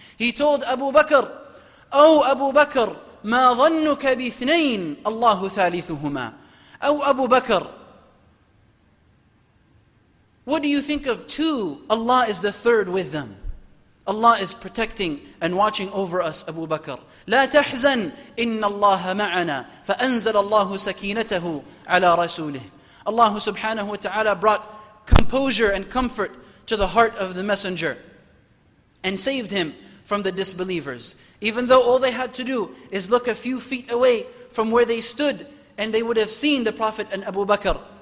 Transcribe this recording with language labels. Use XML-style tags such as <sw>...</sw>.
<en>He told Abu Bakr, O Abu Bakr,</en> <ar>ma dhannuka bithnain, Allahu thalithuhuma.</ar> <en>O Abu Bakr, What do you think of two? Allah is the third with them. Allah is protecting and watching over us, Abu Bakr.</en> <ar>لا تحزن إن الله معنا فأنزل الله سكينته على رسوله.</ar> <en>Allah subhanahu wa ta'ala brought composure and comfort to the heart of the messenger and saved him from the disbelievers. Even though all they had to do is look a few feet away from where they stood and they would have seen the Prophet and Abu Bakr.</en>